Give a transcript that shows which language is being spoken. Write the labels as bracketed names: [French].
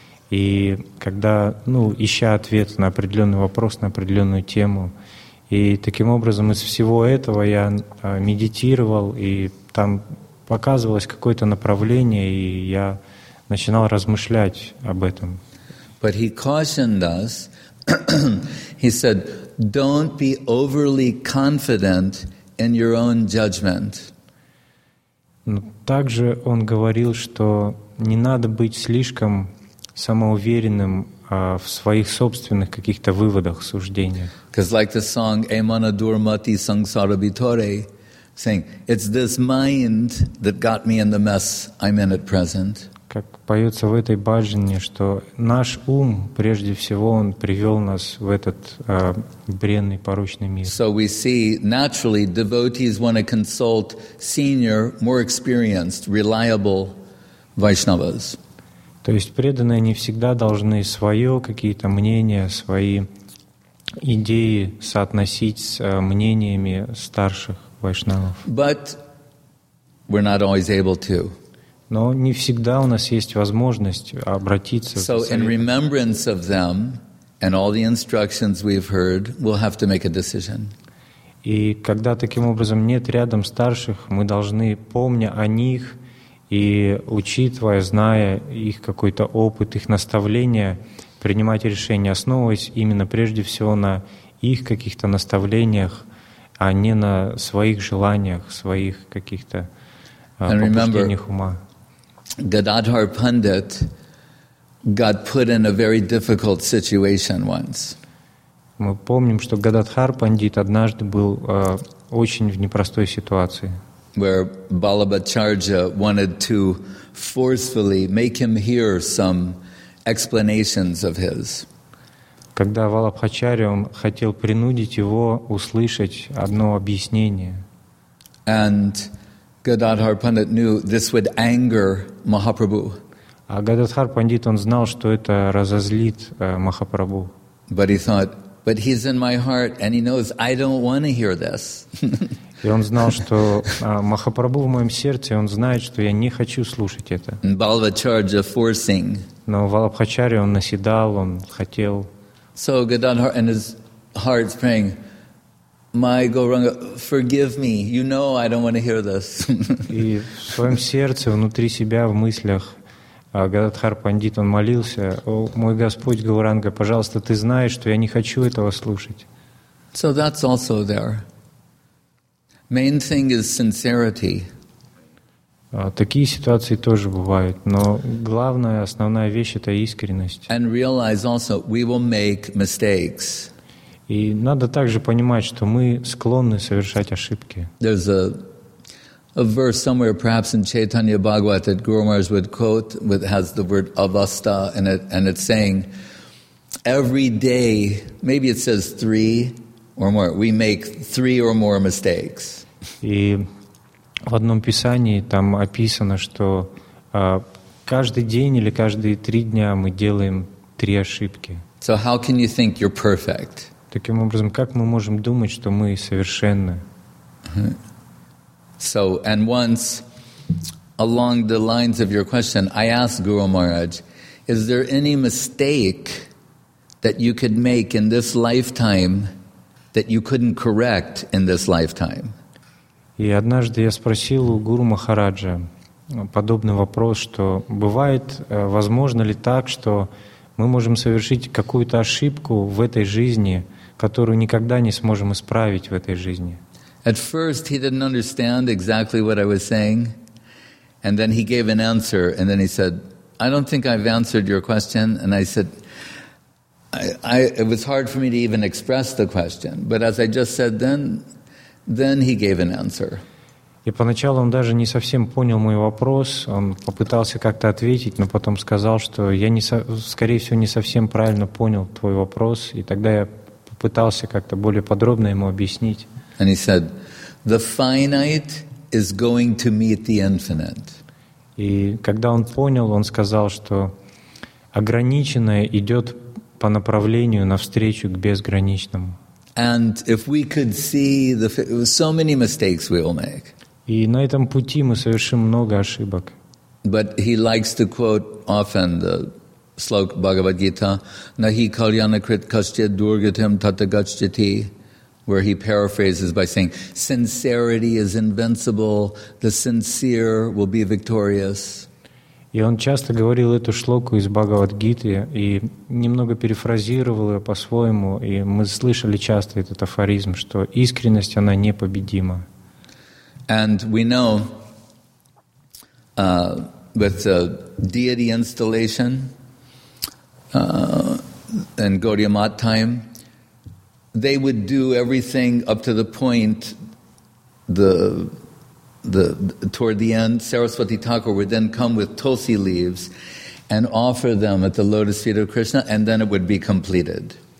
[Russian] И когда, ну, ища ответ на определенный вопрос, на определенную тему. И таким образом из всего этого я медитировал, и там показывалось какое-то направление, и я начинал размышлять об этом. [English] But he cautioned us. He said, don't be overly confident in your own judgment. [Russian] Но также он говорил, что не надо быть слишком самоуверенным в своих собственных каких-то выводах, суждениях. [English] Because like the song Emana Durmati Sangsara Bitore, saying, it's this mind that got me in the mess I'm in at present. [Russian] Как поется в этой баджане, что наш ум, прежде всего, он привел нас в этот бренный, порочный мир. [English] So we see, naturally, devotees want to consult senior, more experienced, reliable Vaishnavas. [Russian] То есть преданные не всегда должны свое какие-то мнения, свои идеи соотносить с мнениями старших Вайшнавов. [English] But we're not always able to. [Russian] Но не всегда у нас есть возможность обратиться. [English] So in remembrance of them and all the instructions we've heard, we'll have to make a decision. [Russian] И когда таким образом нет рядом старших, мы должны, помня о них и учитывая, зная их какой-то опыт, их наставления, принимать решение, основываясь именно прежде всего на их каких-то наставлениях, а не на своих желаниях, своих каких-то побуждениях ума. [English] Gadadhar Pandit got put in a very difficult situation once. [Russian] Мы помним, что Гададхар Пандит однажды был очень в непростой ситуации. [English] Where Balabhacharya wanted to forcefully make him hear some explanations of his. [Russian] Когда Валабхачарья хотел принудить его услышать одно объяснение. [English] And Gadadhar Pandit knew this would anger Mahaprabhu. [Russian] А Гададхар Пандит, он знал, что это разозлит Махапрабху. [English] But he thought, but he's in my heart and he knows I don't want to hear this. [Russian] И он знал, что Махапрабху в моем сердце, он знает, что я не хочу слушать это. [English] And Balabhacharya forcing. [Russian] Но Валабхачарья, он наседал, он хотел. [English] So Gadadhar and his heart's praying, my Gauranga, forgive me. You know I don't want to hear this. [Russian] И в своем сердце, внутри себя, в мыслях, Гададхар Пандит, он молился, о, мой Господь Гауранга, пожалуйста, ты знаешь, что я не хочу этого слушать. [English] So that's also there. Main thing is sincerity. [Russian] Такие ситуации тоже бывают, но главная, основная вещь — это искренность. [English] And realize also, we will make mistakes. [Russian] И надо также понимать, что мы склонны совершать ошибки. [English] There's a a verse somewhere, perhaps in Chaitanya Bhagavat, that Guru Maharaj would quote, with has the word avastha in it, and it's saying, every day, maybe it says three or more, we make three or more mistakes. [Russian] И в одном писании там описано, что каждый день или каждые три дня мы делаем три ошибки. [English] So how can you think you're perfect? [Russian] Таким образом, как мы можем думать, что мы совершенны? [English] So, and once, along the lines of your question, I asked Guru Maharaj, is there any mistake that you could make in this lifetime that you couldn't correct in this lifetime? [Russian] И однажды я спросил у Гуру Махараджа подобный вопрос, что бывает, возможно ли так, что мы можем совершить какую-то ошибку в этой жизни, которую никогда не сможем исправить в этой жизни? [English] At first he didn't understand exactly what I was saying, and then he gave an answer, and then he said, I don't think I've answered your question, and I said, it was hard for me to even express the question, but as I just said then he gave an answer. [Russian] И поначалу он даже не совсем понял мой вопрос, он попытался как-то ответить, но потом сказал, что я, скорее всего, не совсем правильно понял твой вопрос, и тогда я попытался как-то более подробно ему объяснить. [English] And he said, the finite is going to meet the infinite. [Russian] И когда он понял, он сказал, что ограниченное идет по направлению навстречу к безграничному. [English] And if we could see the so many mistakes we will make. [Russian] И на этом пути мы совершим много ошибок. [English] But he likes to quote often the slok Bhagavad Gita, [Sanskrit] Nahi kalyanakrit kaschid durgatim tatagacchati, [English] where he paraphrases by saying, sincerity is invincible, the sincere will be victorious. [Russian] И он часто говорил эту шлоку из Бхагавад-гиты и немного перефразировал ее по-своему, и мы слышали часто этот афоризм, что искренность, она непобедима. [English] And we know with the deity installation and Gaudiya Math time, they would do everything up to the point, toward the end, Saraswati Thakur would then come with tulsi leaves and offer them at the lotus feet of Krishna, and then it would be completed.